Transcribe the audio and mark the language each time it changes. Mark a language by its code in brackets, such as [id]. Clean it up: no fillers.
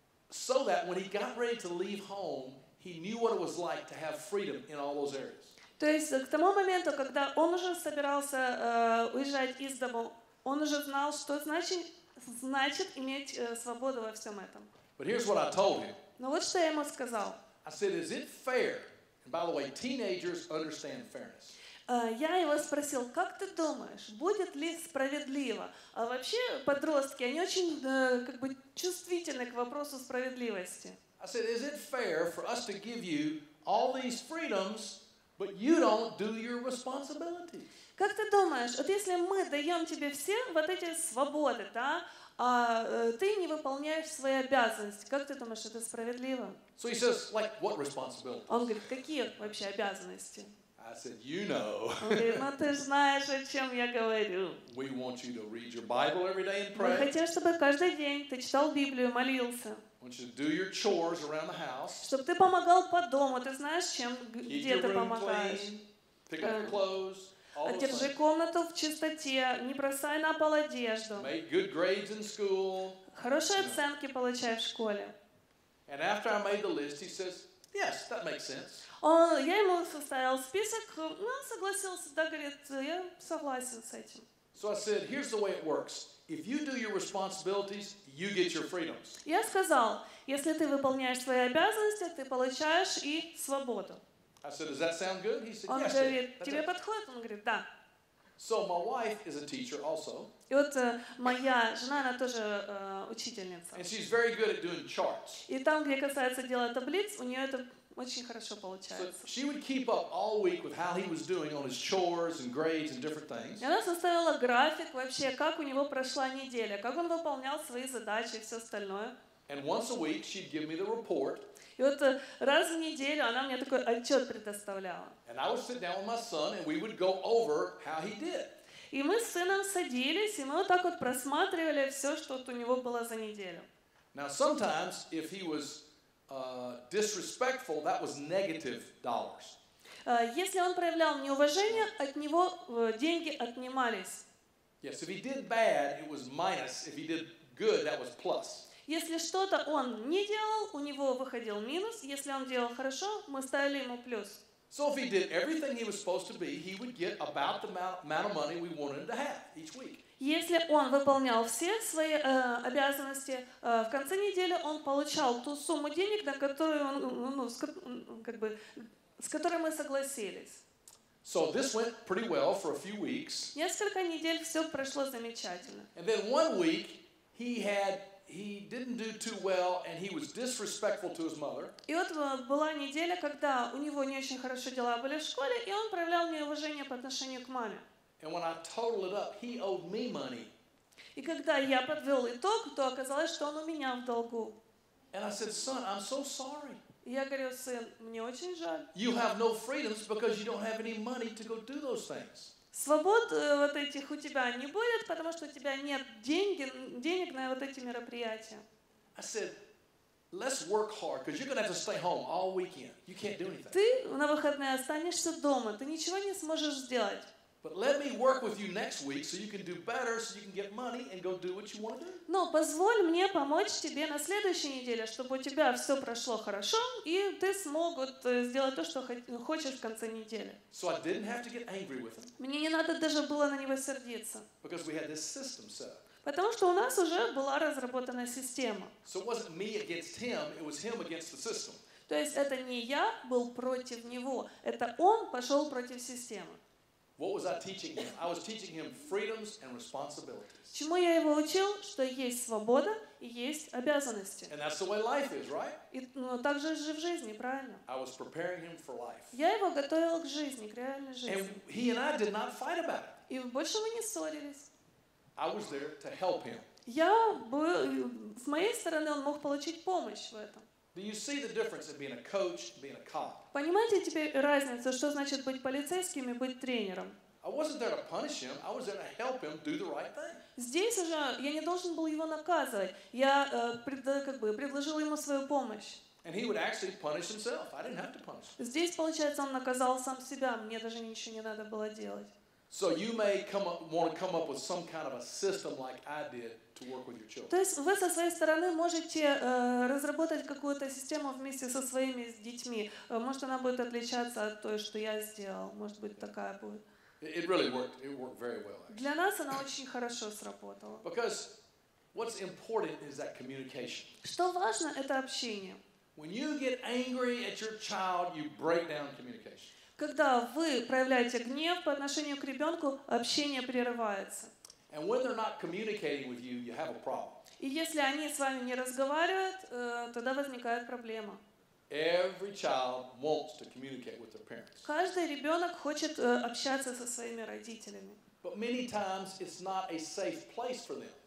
[en] So that when he got ready to leave home, he knew what it was like to have freedom in all those areas. [ru] То есть к тому моменту, когда он уже собирался уезжать из дома, он уже знал, что значит иметь свободу во всем этом. [en] But here's what I told him. [ru] Но вот что я ему сказал. [en] I said, "Is it fair?" And by the way, teenagers understand fairness. [ru] Я его спросил, как ты думаешь, будет ли справедливо? А вообще подростки, они очень как бы чувствительны к вопросу справедливости. [en] I said, "Is it fair for us to give you all these freedoms?" But you don't do your responsibility. [ru] Как ты думаешь, вот если мы даем тебе все вот эти свободы, да, а ты не выполняешь свои обязанности, как ты думаешь, это справедливо? [en] So he says, like, what responsibilities? [ru] Он говорит, какие вообще обязанности? [en] I said, you know. [ru] Он говорит, ну ты знаешь, о чем я говорю. [en] We want you to read your Bible every day and pray. [ru] Мы хотим, чтобы каждый день ты читал Библию, молился. [en] I want you to do your chores around the house. [ru] Чтобы ты помогал по дому, ты знаешь, чем, [en] keep [ru] где ты помогаешь. [en] Pick up your clothes, all those [ru] держи [en] things. [ru] Комнату в чистоте, не бросай на пол одежду. [en] Make good grades in school. [ru] Хорошие оценки получай в школе. [en] And after I made the list, he says, yes, that makes sense. [ru] Я ему составил список, ну, согласился, да, говорит, я согласен с этим. [en] So I said, here's the way it works. If you do your responsibilities, you get your freedoms. [ru] Я сказал, если ты выполняешь свои обязанности, ты получаешь и свободу. [en] I said, does that sound good? He said, [ru] он [en] yes. [ru] Он говорит, тебе подходит? Он говорит, да. [en] So my wife is a teacher also. [ru] И вот моя жена, она тоже учительница. [en] And she's very good at doing charts. [ru] И там, где касается дела таблиц, у нее это очень хорошо получается. [en] So she would keep up all week with how he was doing on his chores and grades and different things. [ru] Она составила график вообще, как у него прошла неделя, как он выполнял свои задачи и все остальное. [en] And once a week she'd give me the report. [ru] И вот раз в неделю она мне такой отчет предоставляла. [en] And I would sit down with my son and we would go over how he did. [ru] И мы с сыном садились, и мы вот так вот просматривали все, что вот у него было за неделю. [en] Now sometimes if he was disrespectful, that was negative dollars. [ru] Если он проявлял неуважение, от него деньги отнимались. [en] Yes, if he did bad, it was minus. If he did good, that was plus. [ru] Если что-то он не делал, у него выходил минус. Если он делал хорошо, мы ставили ему плюс. [en] So if he did everything he was supposed to be, he would get about the amount of money we wanted him to have each week. [ru] Если он выполнял все свои обязанности, в конце недели он получал ту сумму денег, на которую он, ну, как бы, с которой мы согласились. [en] So this went pretty well for a few weeks. [ru] Несколько недель все прошло замечательно. [en] And then one week he didn't do too well and he was disrespectful to his mother. [ru] И вот была неделя, когда у него не очень хорошо дела были в школе, и он проявлял неуважение по отношению к маме. [en] And when I totaled it up, he owed me money. [ru] И когда я подвел итог, то оказалось, что он у меня в долгу. [en] And I said, "Son, I'm so sorry." [ru] И я говорю, сын, мне очень жаль. [en] You have no freedoms because you don't have any money to go do those things. [ru] Свобод вот этих у тебя не будет, потому что у тебя нет денег на вот эти мероприятия. [en] I said, "Let's work hard because you're going to have to stay home all weekend. You can't do anything." [ru] Ты на выходные останешься дома, ты ничего не сможешь сделать. [en] But let me work with you next week so you can do better, so you can get money and go do what you want to do. [ru] Но позволь мне помочь тебе на следующей неделе, чтобы у тебя все прошло хорошо, и ты смог сделать то, что хочешь в конце недели. [en] So I didn't have to get angry with him. [ru] Мне не надо даже было на него сердиться. [en] Because we had this system set. [ru] Потому что у нас уже была разработана система. [en] So it wasn't me against him, it was him against the system. [ru] То есть это не я был против него, это он пошел против системы. [en] What was I teaching him? I was teaching him freedoms and responsibilities. [ru] Чему я его учил, что есть свобода и есть обязанности. [en] And that's the way life is, right? [ru] Но так же в жизни, правильно? [en] I was preparing him for life. [ru] Я его готовил к жизни, к реальной жизни. [en] And he and I did not fight about it. [ru] и больше вы не ссорились. [en] I was there to help him. [ru] Я был, с моей стороны, он мог получить помощь в этом. [en] Do you see the difference of being a coach, being a cop? [ru] Понимаете теперь разницу, что значит быть полицейским и быть тренером? [en] I wasn't there to punish him. I was there to help him do the right thing. [ru] Здесь уже я не должен был его наказывать. Я предложил ему свою помощь. [en] And he would actually punish himself. I didn't have to punish him. [ru] Здесь получается, он наказал сам себя. Мне даже ничего не надо было делать. [en] So you may want to come up with some kind of a system like I did to work with your children. [ru] То есть вы со своей стороны можете разработать какую-то систему вместе со своими детьми. Может, она будет отличаться от той, что я сделал. Может быть, такая будет. [en] It really worked. It worked very well. Actually. [ru] Для нас она очень хорошо сработала. [en] Because what's important is that communication. [ru] Что важно, это общение. [en] When you get angry at your child, you break down communication. [ru] Когда вы проявляете гнев по отношению к ребенку, общение прерывается. [en] And when they're not communicating with you, you have a problem. [ru] И если они с вами не разговаривают, тогда возникает проблема. [en] Every child wants to communicate with their parents. [ru] Каждый ребенок хочет общаться со своими родителями. [en] But many times it's not a safe place for them.